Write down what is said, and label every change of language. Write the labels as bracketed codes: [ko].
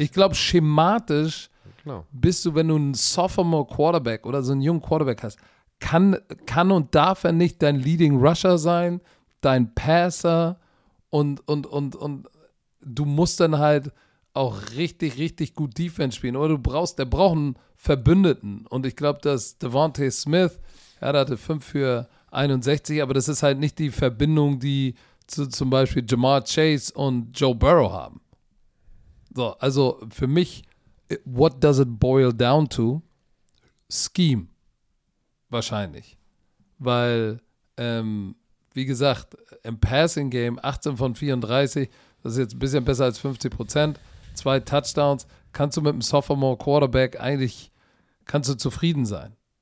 [de] Ich glaube, schematisch bist du, wenn du einen Sophomore-Quarterback oder so einen jungen Quarterback hast, kann und darf er nicht dein Leading Rusher sein, dein Passer und du musst dann halt auch richtig, richtig gut Defense spielen. Oder der braucht einen Verbündeten. Und ich glaube, dass Devontae Smith, ja, der hatte 5 für 61, aber das ist halt nicht die Verbindung, die zum Beispiel Jamar Chase und Joe Burrow haben. So, also für mich, [en] what does it boil down to? [de] Scheme. Wahrscheinlich. Weil, wie gesagt, im Passing Game 18 von 34, das ist jetzt ein bisschen besser als 50%, 2 Touchdowns, kannst du mit einem Sophomore Quarterback eigentlich, kannst du zufrieden sein.